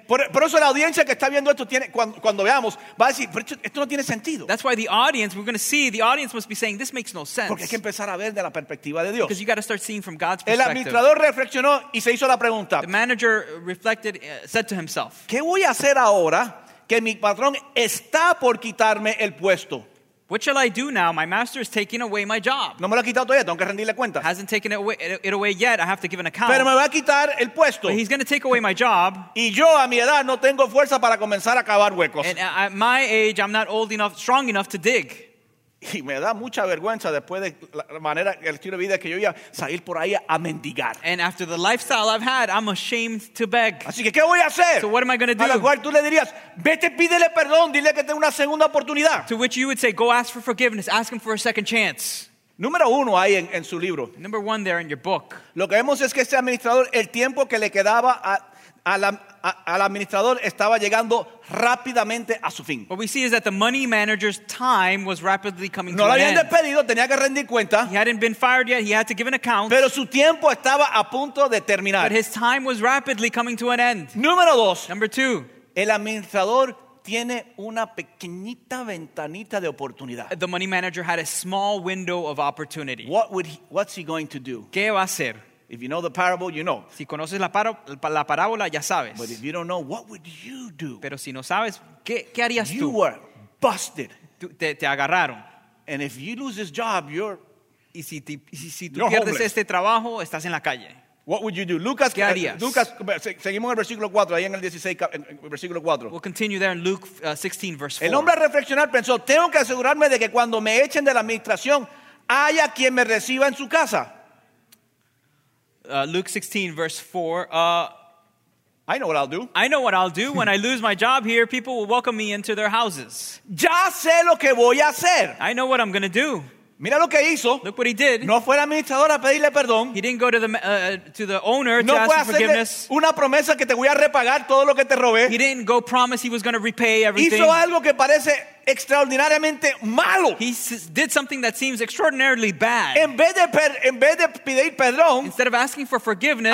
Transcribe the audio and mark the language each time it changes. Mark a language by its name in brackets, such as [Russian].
[Spanish] Por eso la audiencia que está viendo esto tiene cuando veamos va a decir, pero esto no tiene sentido. [English] That's why the audience we're going to see, the audience must be saying this makes no sense. [Spanish] Porque hay que empezar a ver de la perspectiva de Dios. [English] Because you got to start seeing from God's perspective. [Spanish] El administrador reflexionó y se hizo la pregunta. [English] The manager reflected. Said to himself, [Spanish] ¿qué voy a hacer ahora que mi patrón está por quitarme el puesto? [English] What shall I do now? My master is taking away my job. [Spanish] No me lo ha quitado todavía, tengo que rendirle cuenta. [English] Hasn't taken it away yet. I have to give an account. [Spanish] Pero me va a quitar el puesto. [English] But he's going to take away my job. [Spanish] Y yo a mi edad no tengo fuerza para comenzar a cavar huecos. [English] And at my age, I'm not old enough, strong enough to dig. [Spanish] Y me da mucha vergüenza después de la manera, el estilo de vida que yo iba a salir por ahí a mendigar. [English] And after the lifestyle I've had, I'm ashamed to beg. [Spanish] Así que, ¿qué voy a hacer? [English] So what am I going to do? [Spanish] A la cual tú le dirías, vete, pídele perdón, dile que tenga una segunda oportunidad. [English] To which you would say, go ask for forgiveness, ask him for a second chance. [Spanish] Número uno ahí en su libro. [English] Number one there in your book. [Spanish] Lo que vemos es que este administrador, el tiempo que le quedaba al administrador estaba llegando rápidamente a su fin. [English] What we see is that the money manager's time was rapidly coming to an end. [Spanish] No lo habían despedido, tenía que rendir cuenta. [English] He hadn't been fired yet, he had to give an account. [Spanish] Pero su tiempo estaba a punto de terminar. [English] But his time was rapidly coming to an end. [Spanish] Número dos. [English] Number two. [Spanish] El administrador tiene una pequeñita ventanita de oportunidad. [English] The money manager had a small window of opportunity. What's he going to do? [Spanish] ¿Qué va a hacer? [English] If you know the parable, you know. [Spanish] Si conoces la parábola, ya sabes. [English] But if you don't know, what would you do? [Spanish] Pero si no sabes, ¿qué harías [English] you [Spanish] tú? [English] You were busted. [Spanish] Te agarraron. [English] And if you lose this job, you're [Spanish] Y si, te, si, si tú pierdes [English] homeless. [Spanish] Este trabajo, estás en la calle. [English] What would you do? Lucas, [Spanish] ¿qué harías? Lucas, seguimos en el versículo 4, ahí en el 16, en el versículo 4. [English] We'll continue there in Luke 16, verse 4. El hombre a reflexionar pensó, tengo que asegurarme de que cuando me echen de la administración, haya quien me reciba en su casa. Luke 16, verse 4. I know what I'll do. I know what I'll do. When I lose my job here, people will welcome me into their houses. [Spanish] Ya sé lo que voy a hacer. [English] I know what I'm going to do. [Spanish] Mira lo que hizo. [English] Look what he did. [Spanish] No fue el administrador a pedirle perdón. [English] He didn't go to the owner [Spanish] no [English] to ask for forgiveness. [Spanish] Una promesa que te voy a repagar todo lo que te robé. [English] He didn't go promise he was going to repay everything. [Spanish] Hizo algo que parece extraordinariamente malo. [English] He did something that seems extraordinarily bad. [Spanish] En vez de pedir perdón, [English] instead of asking for forgiveness,